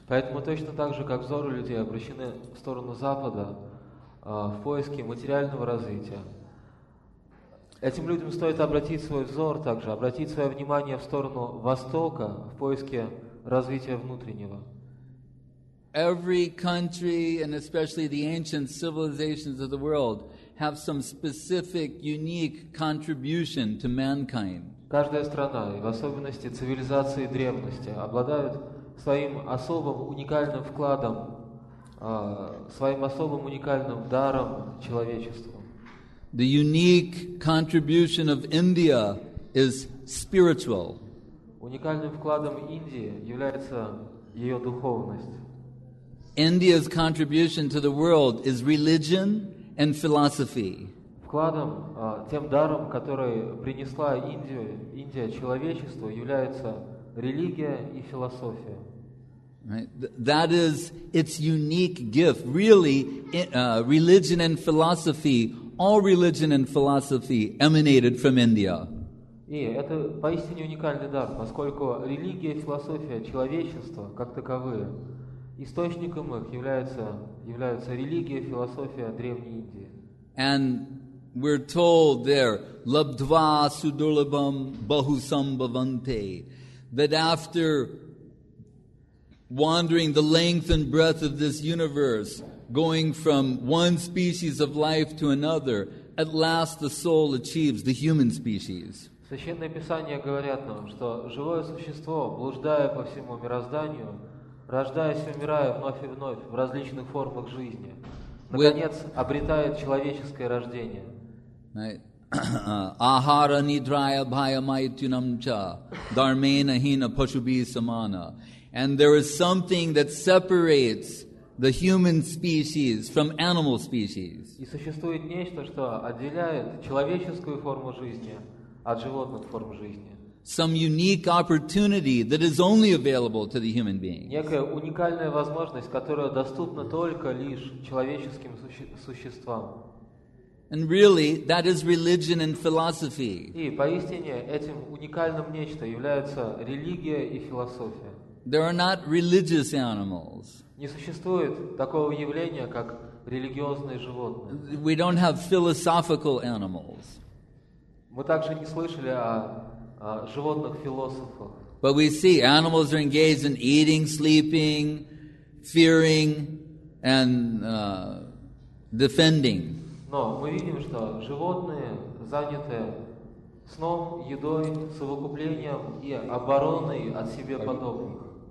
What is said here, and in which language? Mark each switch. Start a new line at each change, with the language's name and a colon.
Russian: Поэтому точно так же, как взоры людей обращены в сторону Запада, в поиске материального развития. Этим людям стоит обратить свой взор также, обратить свое внимание в сторону Востока, в поиске развития внутреннего.
English: Every country, and especially the ancient civilizations of the world, have some specific, unique contribution to mankind.
Russian: Каждая страна, и в особенности цивилизации древности, обладают своим особым уникальным вкладом, своим особым уникальным даром человечеству.
English: The unique contribution of India is spiritual.
Russian: Уникальным вкладом Индии является ее духовность.
English: India's contribution to the world is religion and philosophy.
Russian: Вкладом, тем даром, который принесла Индию, Индия человечеству, является религия и философия.
English: Right. That is its unique gift. Really, religion and philosophy, all religion and philosophy emanated from India.
Russian: И это поистине уникальный дар, поскольку религия и философия человечества, как таковые, источником их являются религия и философия древней Индии.
English: And we're told there,
Sanskrit: labdva sudurlabham bahusambhavante,
English: that after wandering the length and breadth of this universe, going from one species of life to another, at last the soul achieves the human species.
Russian: Священные писания говорят нам, что живое существо, блуждая по всему мирозданию, рождаясь и умирая вновь и вновь в различных формах жизни, наконец обретает человеческое рождение.
Sanskrit: Ahara nidraya bhayamaitunam cha dharmena hina pashubhi samana.
English: And there is something that separates the human species from animal species.
Russian: И существует нечто, что отделяет человеческую форму жизни от животных форм жизни.
English: Some unique opportunity that is only available to the human beings.
Russian: Некая уникальная возможность, которая доступна только лишь человеческим существам.
English: And really, that is religion and philosophy.
Russian: И поистине этим уникальным нечто является религия и философия.
English: There are not religious animals.
Russian: Не существует такого явления, как религиозные животные.
English: We don't have philosophical animals.
Russian: Мы также не слышали о животных-философах.
English: But we see animals are engaged in eating, sleeping, fearing, and defending.
Russian: Но мы видим, что животные заняты сном, едой, совокуплением и обороной от себе подобных.